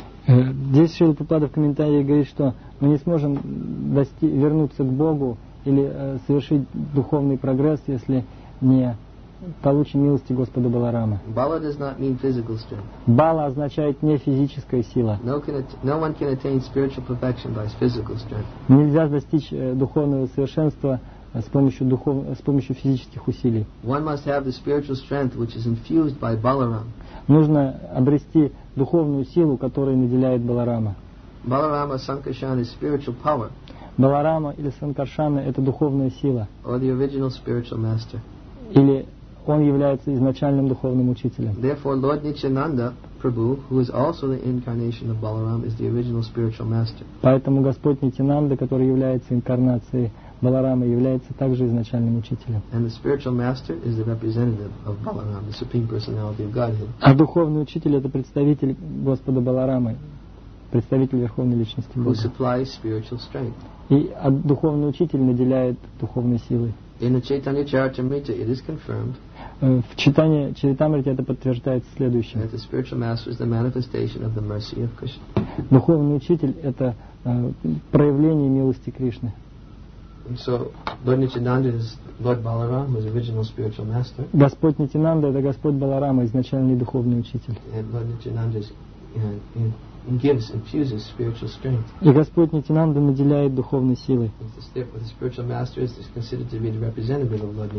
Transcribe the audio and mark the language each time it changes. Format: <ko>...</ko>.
<ru>Здесь Шрила Прабхупада в комментарии говорит, что мы не сможем вернуться к Богу или совершить духовный прогресс, если не получим милости Господа Баларамы.</ru> <en>Bala does not mean physical strength.</en> <ru>Bala означает не физическая сила.</ru> <en>No one can attain spiritual perfection by physical strength.</en> <ru>Нельзя достичь духовного совершенства с помощью физических усилий.</ru> <en>One must have the spiritual strength which is infused by Balaram.</en> <ru>Нужно обрести духовную силу, которой наделяет Баларама.</ru> <en>Balarama Sankarshan is spiritual power.</en> <ru>Баларама или Санкаршана это духовная сила.</ru> <en>Or the original spiritual master.</en> <ru>Или он является изначальным духовным учителем.</ru> <en>Therefore, Lord Nityananda Prabhu, who is also the incarnation of Balaram, is the original spiritual master.</en> <ru>Поэтому Господь Нитянанда, который является инкарнацией Баларама, является также изначальным учителем.</ru> <en>And the spiritual master is the representative of Balaram, the supreme personality of Godhead.</en> <ru>А духовный учитель это представитель Господа Баларамы, представитель верховной личности Бога.</ru> <en>Who supplies spiritual strength.</en> <ru>И духовный учитель наделяет духовной силой.</ru> <en>In the Chaitanya Charitamrita, it is confirmed.</en> <ru>В читании Чаритамриты это подтверждается следующее.</ru> <en>That the spiritual master is the manifestation of the mercy of Krishna.</en> <ru>Духовный учитель это проявление милости Кришны.</ru> <en>So Lord Nityananda is Lord Balaram, his original spiritual master.</en> <ru>Господь Нитянанда это Господь Баларама, изначальный духовный учитель.</ru> <en>And Lord Nityananda infuses spiritual strength.</en> <ru>И Господь Нитянанда наделяет духовной силой.</ru> <en>The spiritual master is considered to be the representative of Lord Nityananda.</en>